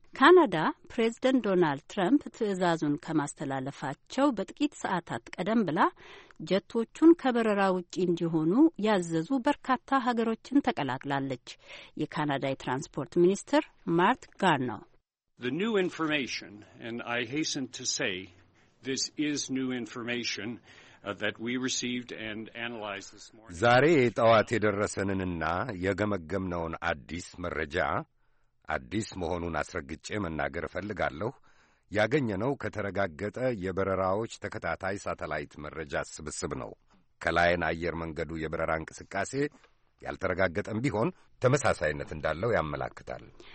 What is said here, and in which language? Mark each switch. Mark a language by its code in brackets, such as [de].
[am] ካናዳ ፕሬዝደንት ዶናልድ ትራምፕ ትዕዛዙን ከማስተላለፋቸው በጥቂት ሰዓታት ቀደም ብላ ጀቶቹን ከበረራ ውጪ እንዲሆኑ ያዘዙ በርካታ ሀገሮችን ተቀላቅላለች። የካናዳ የትራንስፖርት ሚኒስትር ማርት ጋርኖ [en] The new information, and I hasten to say, this is new information, that we received and analyzed this morning. [am] ዛሬ ጠዋት የደረሰንና የገመገምነውን አዲስ መረጃ አዲስ መሆኑን አስረግጬ መናገር ፈልጋለሁ። ያገኘነው ከተረጋገጠ የበረራዎች ተከታታይ ሳተላይት መረጃ ስብስብ ነው። ከላይን አየር መንገዱ የበረራ እንቅስቃሴ ያልተረጋገጠም ቢሆን ተመሳሳይነት እንዳለው ያመለክታል።